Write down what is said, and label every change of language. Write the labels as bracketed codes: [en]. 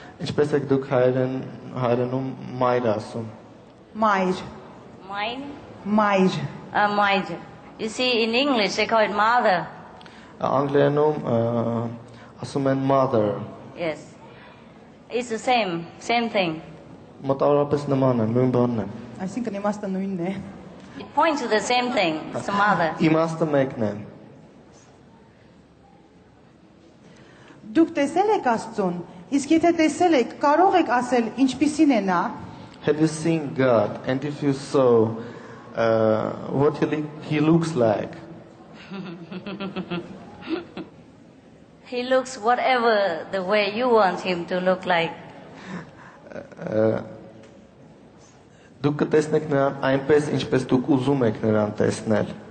[hy] Ինչպես եք դուք հայերենում մայր ասում։ Մայր։ [en] Mine? [hy] Մայր։ [en] Mայր։ You see, in English they call it mother. [hy] Անգլերենում ասում են mother. [en] Yes. It's the same thing. [hy] Մոտավորապես նման են, նույն բանն են։ Այսինքն իմաստը նույնն է։ [en] It points to the same thing, it's the mother. [hy] Իմաստը մեկն է։ Դուք տեսել եք Աստծուն, իսկ եթե տեսել եք, կարող եք ասել ինչպիսին է նա։ [en] Have you seen God? And if you saw what he looks like? He looks whatever the way you want him to look like. [hy] դուք կտեսնեք նրան այնպես, ինչպես դուք ուզում եք նրան տեսնել։